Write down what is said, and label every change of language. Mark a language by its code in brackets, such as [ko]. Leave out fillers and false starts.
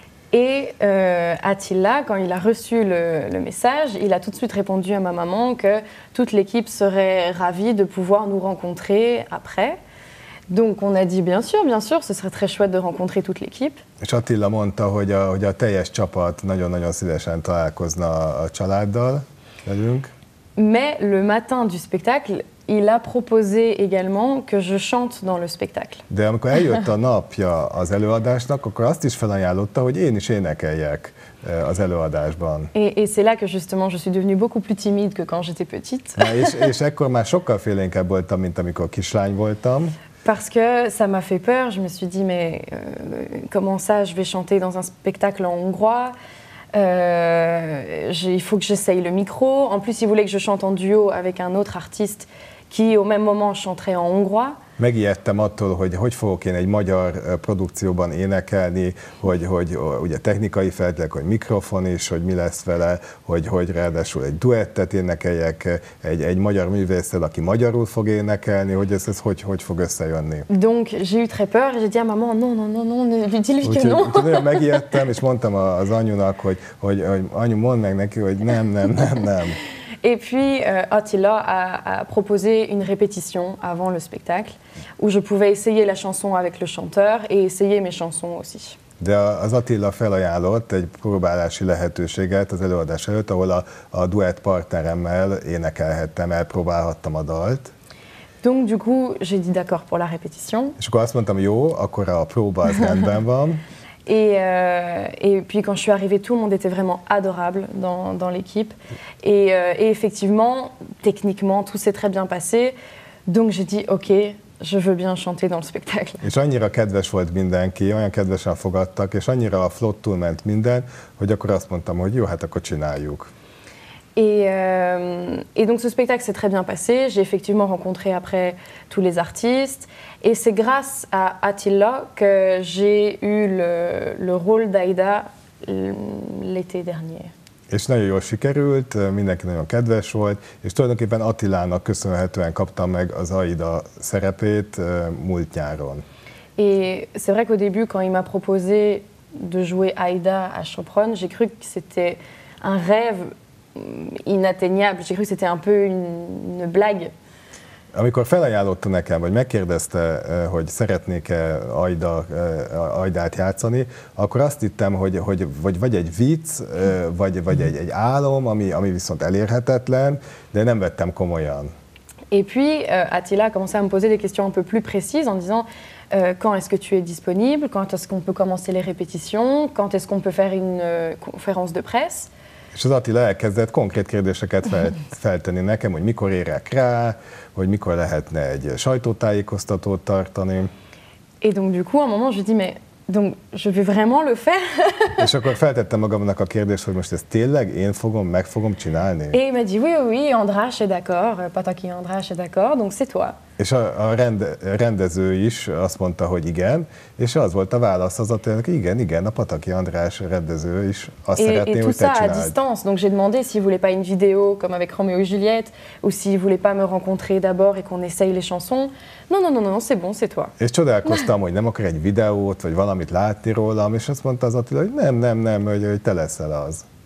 [fr] Et Attila, quand il a reçu le message, il a tout de suite répondu à ma maman que toute l'équipe serait ravie de pouvoir nous rencontrer après. Donc on a dit bien sûr, ce serait très chouette de rencontrer toute l'équipe. [hu] És Attila mondta, hogy a teljes csapat nagyon-nagyon szívesen találkozna a családdal velünk. [fr] Mais le matin du spectacle, il a proposé également que je chante dans le spectacle. [hu] De amikor eljött a napja az előadásnak, akkor azt is felajánlotta, hogy én is énekeljek az előadásban. [fr] Et c'est là que justement je suis devenue beaucoup plus timide que quand j'étais petite. [hu] És ekkor már sokkal félénkebb voltam, mint amikor kislány voltam. [fr] Parce que ça m'a fait peur, je me suis dit mais comment ça je vais chanter dans un spectacle en hongrois, il faut que j'essaye le micro, en plus il voulait que je chante en duo avec un autre artiste qui au même moment chanterait en hongrois. [hu] Megijedtem attól, hogy fogok én egy magyar produkcióban énekelni, hogy ugye technikai feltételek, hogy mikrofon is, hogy mi lesz vele, hogy ráadásul egy duettet énekeljek egy magyar művésszel, aki magyarul fog énekelni, hogy ez hogy fog összejönni. [fr] Donc j'ai eu très peur, j'ai dit à maman non, ne lui dis que non. [hu] Úgyhogy megijedtem, és mondtam az anyunak, hogy anyu, mondd meg neki, hogy nem. [fr] Et puis Attila a proposé une répétition avant le spectacle où je pouvais essayer la chanson avec le chanteur et essayer mes chansons aussi. [hu] De az Attila felajánlott egy próbálási lehetőséget az előadás előtt, ahol a duett partneremmel énekelhettem, elpróbálhattam a dalt. [fr] Donc du coup, j'ai dit d'accord pour la répétition. [hu] És akkor azt mondtam, jó, akkor a próba az rendben van. [fr] Et puis quand je suis arrivée, tout le monde était vraiment adorable dans l'équipe. Et effectivement, techniquement, tout s'est très bien passé. Donc j'ai dit, ok, je veux bien chanter dans le spectacle. [hu] És annyira kedves volt mindenki, olyan kedvesen fogadtak, és annyira flottul ment minden, hogy akkor azt mondtam, hogy jó, hát akkor csináljuk. [fr] Et donc ce spectacle s'est très bien passé. J'ai effectivement rencontré après tous les artistes. Et c'est grâce à Attila que j'ai eu le rôle d'Aïda l'été dernier. [hu] És nagyon jól sikerült, mindenki nagyon kedves volt, és tulajdonképpen Attilának köszönhetően kaptam meg az Aïda szerepét múlt nyáron. [fr] Et c'est vrai qu'au début, quand il m'a proposé de jouer Aïda à Chopron, j'ai cru que c'était un rêve inatteignable. J'ai cru que c'était un peu une blague. [hu] Amikor felajánlotta nekem, vagy megkérdezte, hogy szeretnék-e Aidát játszani, akkor azt hittem, hogy vagy egy vicc, vagy egy álom, ami viszont elérhetetlen, de nem vettem komolyan. [fr] Et puis Attila a commencé à me poser des questions un peu plus précises en disant quand est-ce que tu es disponible, quand est-ce qu'on peut commencer les répétitions, quand est-ce qu'on peut faire une conférence de presse. [hu] És az Attila elkezdett konkrét kérdéseket feltenni nekem, hogy mikor érek rá, hogy mikor lehetne egy sajtótájékoztatót tartani. [fr] Et donc du coup, à un moment, je dis, mais donc je vais vraiment le faire. [hu] És akkor feltettem magamnak a kérdést, hogy most ezt tényleg én fogom, meg fogom csinálni. [fr] Et il m'a dit, oui, András est d'accord, Pataki András est d'accord, donc c'est toi. [hu] És a rendező is azt mondta, hogy igen, és az volt a válasz az Attilának, hogy igen, a Pataki András rendező is azt szeretné, hogy te csináld. [fr] Et tout ça à distance, donc j'ai demandé s'il voulait pas une vidéo comme avec Roméo et Juliette, ou s'il voulait pas me rencontrer d'abord et qu'on essaye les chansons. Non, c'est bon, c'est toi. [hu] És csodálkoztam, hogy nem akar egy videót, vagy valamit látni rólam, és azt mondta az Attila, hogy nem, hogy te leszel az.